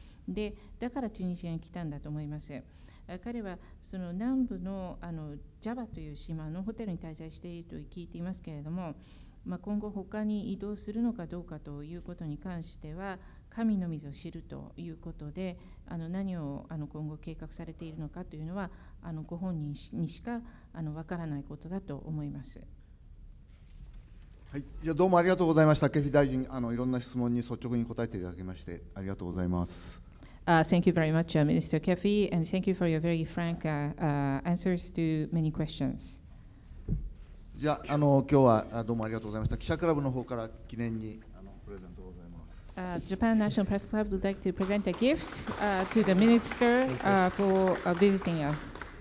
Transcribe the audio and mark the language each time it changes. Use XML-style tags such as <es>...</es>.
<ja>で、だからチュニジアに来たんだと思います。彼はその南部のジャバという島のホテルに滞在していると聞いていますけれども、まあ今後他に移動するのかどうかということに関しては神の水を知るということで、何を今後計画されているのかというのはご本人にしかわからないことだと思います。はい、じゃあどうもありがとうございました。ケフィ大臣、いろんな質問に率直に答えていただきましてありがとうございます。</ja> <en>Thank you very much, Minister KEFI, and thank you for your very frank answers to many questions.</en> <ja>じゃあ、今日はどうもありがとうございました。記者クラブの方から記念にプレゼントをございます。</ja> <en>Japan National Press Club would like to present a gift to the Minister for visiting us.</en>